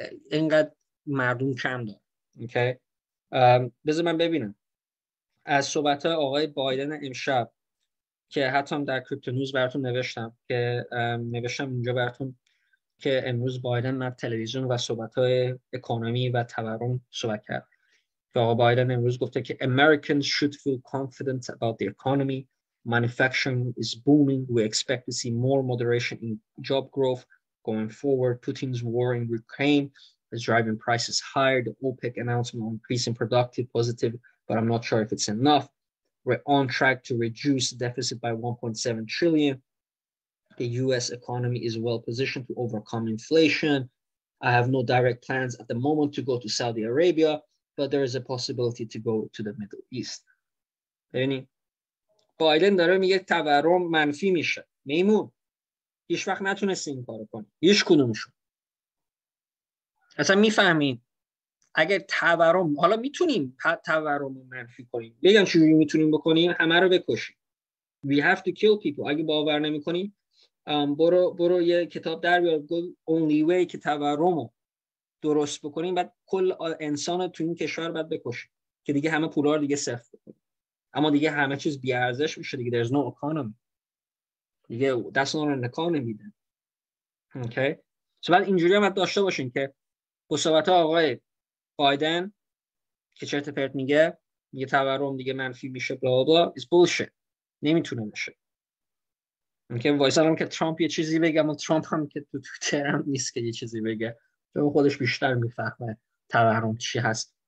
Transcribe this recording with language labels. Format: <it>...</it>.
<fa>اینقدر مردم کم داره. اوکی بذار من ببینم از صحبت های آقای بایدن امشب که حتی هم در کریپتو نیوز براتون نوشتم، که نوشتم اینجا براتون که امروز بایدن در تلویزیون و صحبت‌های اکونومی و تورم صحبت کرد، که آقا بایدن امروز گفته که</fa> <en>Americans should feel confident about the economy. Manufacturing is booming. We expect to see more moderation in job growth going forward. Putin's war in Ukraine is driving prices higher. The OPEC announcement on increasing productive positive, but I'm not sure if it's enough. We're on track to reduce the deficit by 1.7 trillion. The US economy is well positioned to overcome inflation. I have no direct plans at the moment to go to Saudi Arabia, but there is a possibility to go to the Middle East.</en> <fa>یعنی بایدن داره میگه تورم منفی میشه. میمون هیچ وقت نتونست این کارو کنه. هیچ کدومشون. اصلا میفهمین اگر تورم، حالا میتونیم تورم رو منفی کنیم، بگم چجوری میتونیم بکنیم، همه رو بکشیم.</fa> <en>We have to kill people.</en> <fa>اگه باور نمیکنیم برو یه کتاب در بیار،</fa> <en>Only way</en> <fa>که تورم رو درست بکنیم بعد کل انسان رو تو این کشور بعد بکشیم که دیگه همه پولا رو دیگه صفر بکنیم، اما دیگه همه چیز بی ارزش میشه دیگه.</fa> <en>There's no economy. دیگه that's not an economy then. Okay.</en> <fa>So بعد اینجوری هم داشته باشین که بصحبت آقای بایدن که چرت پرت میگه، میگه تورم دیگه منفی میشه بلا بلا،</fa> <en>is bullshit.</en> <fa>نمیتونه بشه. اینکه وایسارم که ترامپ یه چیزی بگه، اما ترامپ هم که تو توییتر هم نیست که یه چیزی بگه، چون خودش بیشتر میفهمه تورم چی هست.</fa>